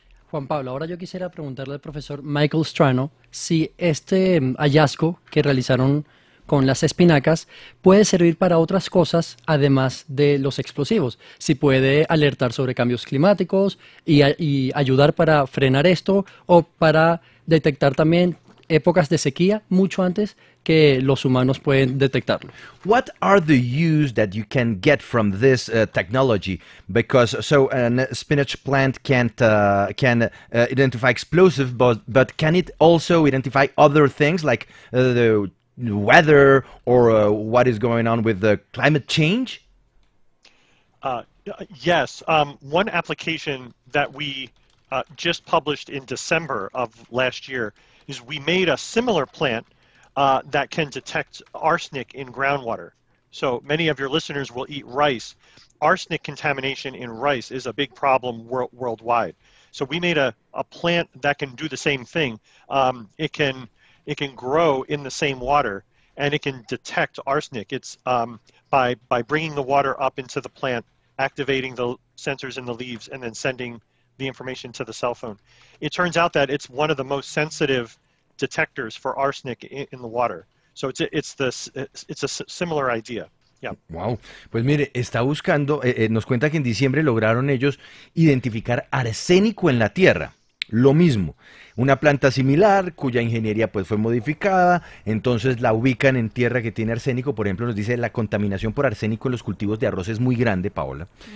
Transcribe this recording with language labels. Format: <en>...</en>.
<es>Juan Pablo, ahora yo quisiera preguntarle al profesor Michael Strano si este hallazgo que realizaron con las espinacas puede servir para otras cosas además de los explosivos. Si puede alertar sobre cambios climáticos y ayudar para frenar esto o para detectar también épocas de sequía mucho antes que los humanos pueden detectarlo.</es> <en>What are the use that you can get from this technology? Because so an spinach plant can identify explosive, but can it also identify other things like the weather or what is going on with the climate change? Yes. One application that we just published in December of last year is we made a similar plant that can detect arsenic in groundwater. So many of your listeners will eat rice. Arsenic contamination in rice is a big problem worldwide. So we made a plant that can do the same thing. It can grow in the same water and it can detect arsenic. It's by bringing the water up into the plant, activating the sensors in the leaves and then sending the information to the cell phone. It turns out that it's one of the most sensitive detectors for arsenic in the water. So it's a similar idea. Yeah. Wow.</en> <es>Pues mire, está buscando, nos cuenta que en diciembre lograron ellos identificar arsénico en la tierra. Lo mismo, una planta similar cuya ingeniería pues fue modificada, entonces la ubican en tierra que tiene arsénico, por ejemplo nos dice la contaminación por arsénico en los cultivos de arroz es muy grande, Paola,</es>